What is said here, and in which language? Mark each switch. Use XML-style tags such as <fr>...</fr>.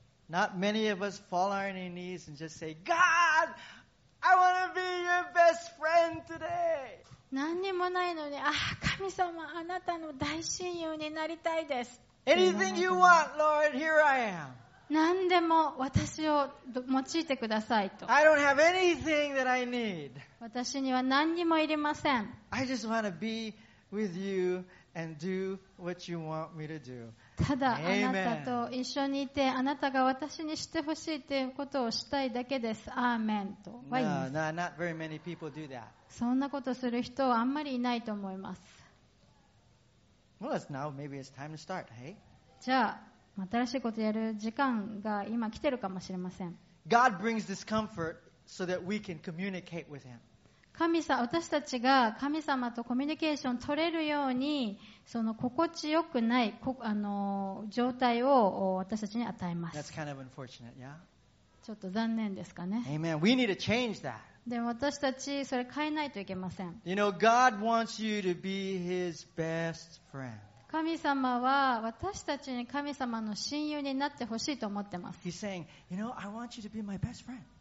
<en>Not many of us fall on our knees and just say, God! I want to be your best friend today.</en> <ja>何にもないのに、ああ、神様、あなたの大親友になりたいです。</ja> <en>Anything you want, Lord, here I am.</en> <ja>何でも私を用いてくださいと。</ja> <en>I don't have anything that I need.</en> <ja>私には何にもいりません。</ja> <en>I just want to be with you and do what you want me to do.</en> <ja>ただあなたと一緒にいてあなたが私にしてほしいということをしたいだけです。アーメンとは言います。</ja> <en>No, not very many people do that.</en> <ja>そんなことする人はあんまりいないと思います。</ja> <en>Well, it's now. Maybe it's time to start, hey?</en> <ja>じゃあ新しいことやる時間が今来てるかもしれません。</ja> <en>God brings discomfort so that we can communicate with him.</en> <ja>私たちが神様とコミュニケーションを取れるようにその心地よくない状態を私たちに与えます。</ja> <en>That's kind of unfortunate, yeah?</en> <ja>ちょっと残念ですかね。</ja> <en>Amen. We need to change that.</en> <ja>でも私たちそれ変えないといけません。</ja> <en>You know, God wants you to be His best friend.</en> <ja>神様は私たちに神様の親友になってほしいと思ってます。</ja> <en>He's saying, you know, I want you to be my best friend.</en>